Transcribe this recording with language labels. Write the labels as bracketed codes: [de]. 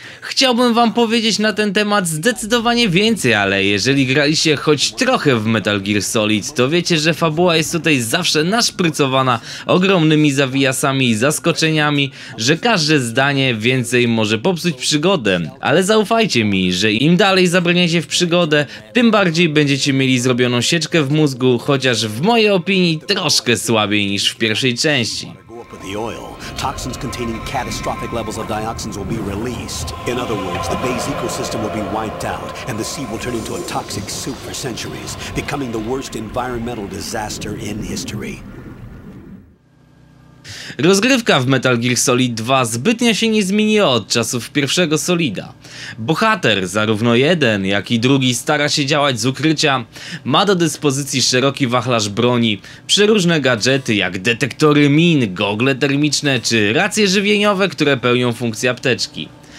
[pl] Chciałbym wam powiedzieć na ten temat zdecydowanie więcej, ale jeżeli graliście choć trochę w Metal Gear Solid, to wiecie, że fabuła jest tutaj zawsze naszprycowana ogromnymi zawijasami i zaskoczeniami, że każde zdanie więcej może popsuć przygodę, ale zaufajcie mi, że im dalej zabraniecie w przygodę, tym bardziej będziecie mieli zrobioną sieczkę w mózgu, chociaż w mojej opinii troszkę słabiej niż w pierwszej części. [en] Toxins containing catastrophic levels of dioxins will be released. In other words, the Bay's ecosystem will be wiped out, and the sea will turn into a toxic soup for centuries, becoming the worst environmental disaster in history. [pl] Rozgrywka w Metal Gear Solid 2 zbytnio się nie zmieniła od czasów pierwszego Solida. Bohater, zarówno jeden, jak i drugi, stara się działać z ukrycia, ma do dyspozycji szeroki wachlarz broni, przeróżne gadżety jak detektory min, gogle termiczne czy racje żywieniowe, które pełnią funkcję apteczki.